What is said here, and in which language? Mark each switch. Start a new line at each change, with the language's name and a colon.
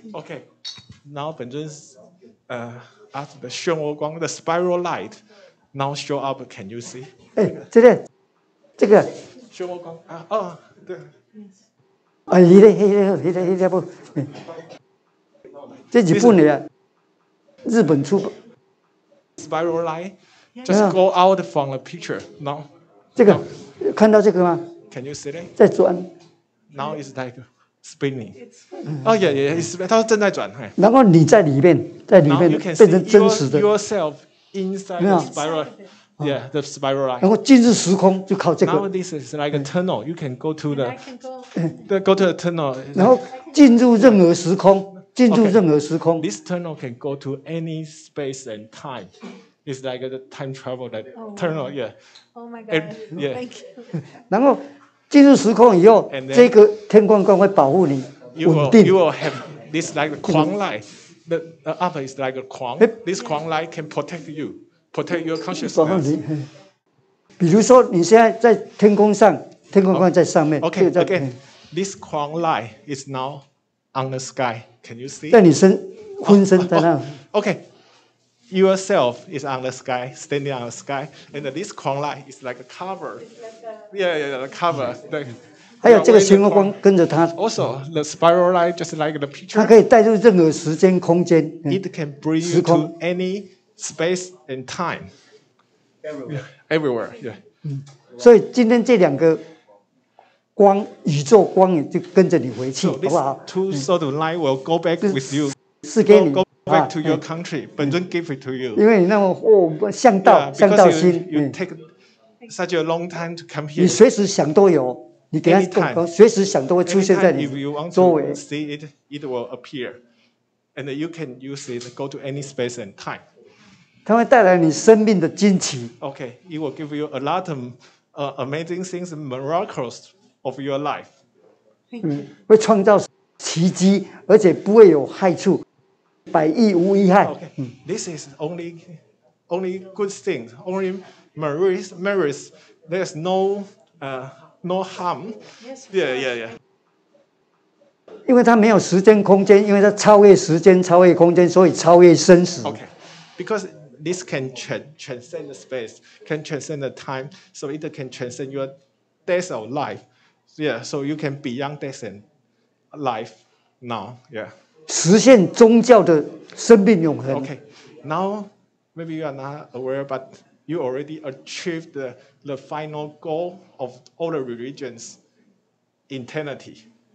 English: ？OK，
Chinese: 然后本尊，
English: after the 漩涡光 ，the spiral light now show up. Can you see？
Chinese: 哎，这个，这个漩涡光啊，哦，对。啊，一个一个一个一个不，这几部呢？日本出版。
English: Spiral light just go out from the picture now.
Chinese: 这个、
English: no.
Chinese: 看到这个吗
English: ？Can you see it？
Chinese: 在转。
English: Now it's like spinning. Oh yeah, yeah. It's
Chinese: 它正在转。然后你在里面，在里面变成真实的。
English: Now you can see yourself inside the spiral. Yeah, the spiral line.
Chinese: 然后进入时空就靠这个。
English: Now this is like a tunnel. You can go to the go to the tunnel.
Chinese: 然后进入任何时空。进入任何时空。
English: Okay. This tunnel can go to any space and time. It's like a time travel that tunnel. Yeah. Oh my God. And, yeah. Thank you.
Chinese: 然后进入时空以后，这个天光光会保护你稳定。
English: You will have this like a quang light. The upper is like a quang. This quang light can protect you, protect your consciousness.
Chinese: 比如说你现在在天空上，天空光在上面。
English: Okay. Again, this quang light is now on the sky. Can you see?
Chinese: 在你身，浑身在那。
English: Okay. Yourself is on the sky, standing on the sky, and this quang light is like a cover. Yeah, a cover.
Chinese: 对。还有这个漩涡光跟着它。
English: Also, the spiral light, just like the picture.
Chinese: 它可以带入任何时间空间。
English: It can bring you to any space and time. Everywhere. Yeah.
Chinese: 所以今天这两个光，宇宙光也就跟着你回去，好不好？
English: Two sort of light will go back with you.
Chinese: 是给你。
English: Back to your country, 本尊 give it to you.
Chinese: 因为你那么哦，向道
English: yeah,
Chinese: 向道心。
English: You take such a long time to come here.
Chinese: 你随时想都有，你等下动，随时想都会出现在你周围。
English: Anytime, if you want to see it, it will appear, and you can use it go to any space and time.
Chinese: 它会带来你生命的惊奇。
English: Okay, it will give you a lot of amazing things, miracles of your life.
Chinese: 嗯，会创造奇迹，而且不会有害处。百益无一害。
English: Okay, this is only good things, only merits. There's no harm. Yeah.
Chinese: 因为它没有时间空间，因为它超越时间、超越空间，所以超越生死。
English: Okay, because this can transcend the space, can transcend the time, so it can transcend your death or life. Yeah, so you can beyond death and life now. Yeah.
Chinese: 实现宗教的生命永恒。
English: Okay, now maybe you are not aware, but you already achieved the final goal of all the religions, eternity.